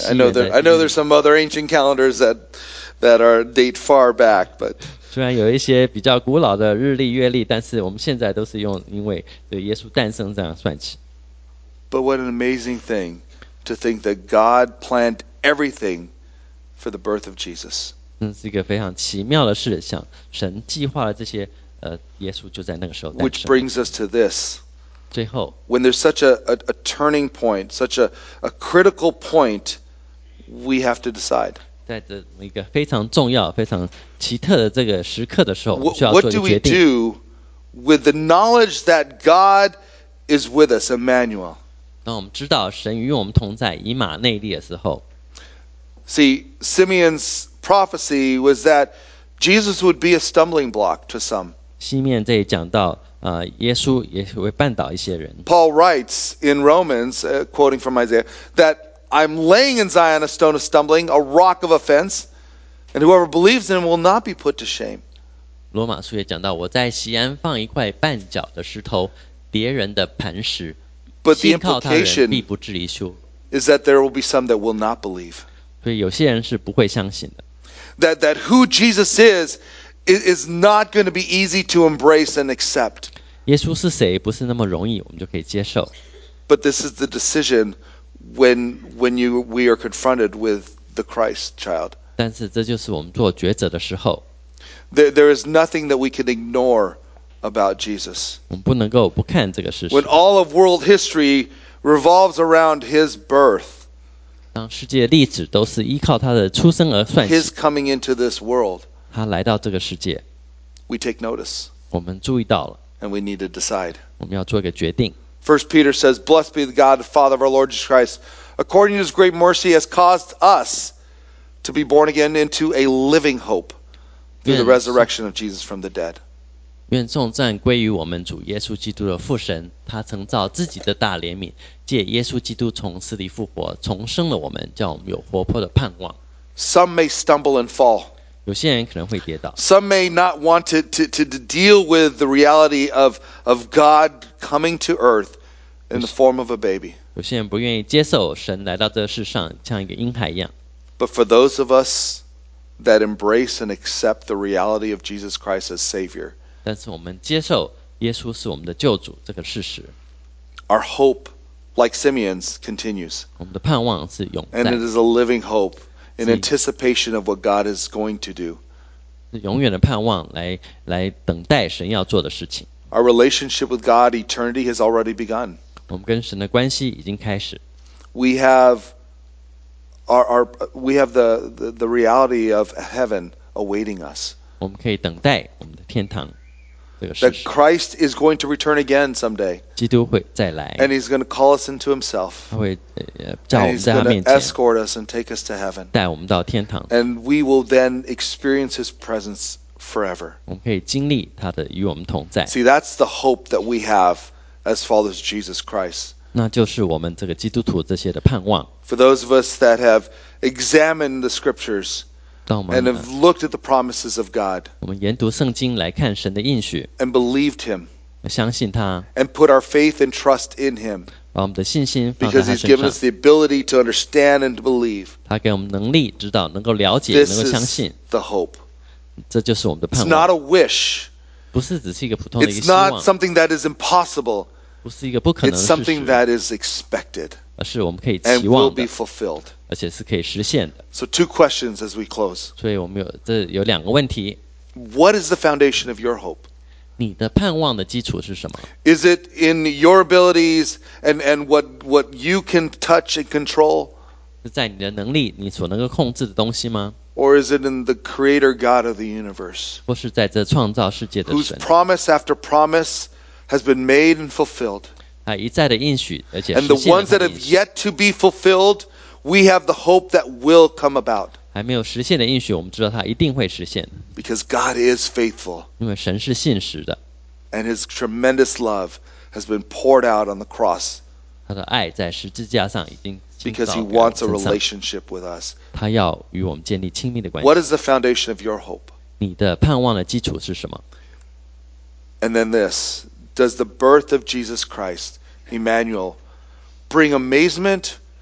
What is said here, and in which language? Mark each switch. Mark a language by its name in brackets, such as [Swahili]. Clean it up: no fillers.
[English] I know there's some other ancient calendars that are date far back, but [Chinese] 虽然有一些比较古老的日历、月历，但是我们现在都是用因为耶稣诞生这样算起。 [English] But what an amazing thing to think that God planned everything for the birth of Jesus. [Chinese] 这是一个非常奇妙的事，像神计划了这些，耶稣就在那个时候诞生。 [English] Which brings us to this. [Chinese] 最后 [English] ，When there's such a turning point, such a critical point, we have to decide. [Chinese] 在这一个非常重要、非常奇特的这个时刻的时候，需要做一个决定。 [English] What do we do with the knowledge that God is with us, Emmanuel? [Chinese] 当我们知道神与我们同在、以马内利的时候 [English] ，See Simeon's prophecy was that Jesus would be a stumbling block to some. [Chinese] 西面这里讲到，耶稣也会绊倒一些人。 [English] Paul writes in Romans, quoting from Isaiah, that. I'm laying in Zion a stone of stumbling, a rock of offense, and whoever believes in him will not be put to shame. [Chinese] 罗马书也讲到，我在锡安放一块绊脚的石头，别人的磐石，信靠他人必不至于羞辱。 [English] is that there will be some that will not believe. [Chinese] 对，有些人是不会相信的。 [English] That who Jesus is not going to be easy to embrace and accept. [Chinese] 耶稣是谁不是那么容易我们就可以接受。 [English] But this is the decision when we are confronted with the Christ child. [Chinese] 但是这就是我们做抉择的时候。 [English] There is nothing that we can ignore about Jesus. [Chinese] 我们不能够不看这个事实。 [English] When all of world history revolves around his birth, [Chinese] 当世界历史都是依靠他的出生而算起 [English] His coming into this world, [Chinese] 他来到这个世界 [English] we take notice, [Chinese] 我们注意到了 [English] and we need to decide. [Chinese] 我们要做一个决定 [English] First Peter says, Blessed be the God, the Father of our Lord Jesus Christ, according to his great mercy, has caused us to be born again into a living hope through the resurrection of Jesus from the dead. [Chinese] 愿颂赞归于我们主耶稣基督的父神他曾造自己的大怜悯借耶稣基督从死里复活重生了我们叫我们有活泼的盼望 [English] Some may stumble and fall [Chinese] 有些人可能会跌倒 [English] Some may not want to deal with the reality of God coming to earth in the form of a baby [Chinese] 有些人不愿意接受神来到这世上像一个婴孩一样 [English] But for those of us that embrace and accept the reality of Jesus Christ as Savior [Chinese] 但是我们接受耶稣是我们的救主这个事实 [English] Our hopeLike Simeon's continues. [Chinese] 我们的盼望是永在。 [English] And it is a living hope in anticipation of what God is going to do. [Chinese] 是永远的盼望来等待神要做的事情。 [English] Our relationship with God, eternity has already begun. [Chinese] 我们跟神的关系已经开始。 [English] We have the reality of heaven awaiting us. [Chinese] 我们可以等待我们的天堂。 [English] That Christ is going to return again someday. [Chinese] 基督会再来。 [English] And he's going to call us into himself. [Chinese] 他会叫我们在他面前。 [English] And he's going to escort us and take us to heaven. [Chinese] 带我们到天堂。 [English] And we will then experience his presence forever. [Chinese] 我们可以经历他的与我们同在。 [English] See, that's the hope that we have as followers of Jesus Christ. [Chinese] 那就是我们这个基督徒这些的盼望。 [English] For those of us that have examined the scriptures,And have looked at the promises of God. [Chinese] 我们研读圣经来看神的应许 [English] And believed him. [Chinese] 相信他 [English] And put our faith and trust in him. [Chinese] 把我们的信心放在他身上 [English] Because he's given us the ability to understand and to believe. [Chinese] 他给我们能力知道能够了解能够相信 [English] This is the hope. [Chinese] 这就是我们的盼望 [English] It's not a wish. [Chinese] 不是只是一个普通的一个希望 [English] It's not something that is impossible. [Chinese] 不是一个不可能的事实 [English] It's something that is expected. [Chinese] 而是我们可以期望的 [English] And will be fulfilled. [Chinese] 而且是可以实现的。 [English] So two questions as we close. [Chinese] 所以我们有两个问题。 [English] What is the foundation of your hope? [Chinese] 你的盼望的基础是什么？ [English] Is it in your abilities and what you can touch and control? [Chinese] 是在你的能力，你所能够控制的东西吗？ [English] Or is it in the Creator God of the universe? [Chinese] 或是在这创造世界的神？ [English] Whose promise after promise has been made and fulfilled? [Chinese] 他一再的应许，而且实现了。 [English] And the ones that have yet to be fulfilled. We have the hope that will come about. [Chinese] 还没有实现的应许，我们知道它一定会实现。 [English] Because God is faithful. [Chinese] 因为神是信实的。 [English] And His tremendous love has been poured out on the cross. [Chinese] 他的爱在十字架上已经。 [English] Because He wants a relationship with us. [Chinese] 他要与我们建立亲密的关系。 [English] What is the foundation of your hope? [Chinese] 你的盼望的基础是什么？ [English] And then this: Does the birth of Jesus Christ, Emmanuel, bring amazement?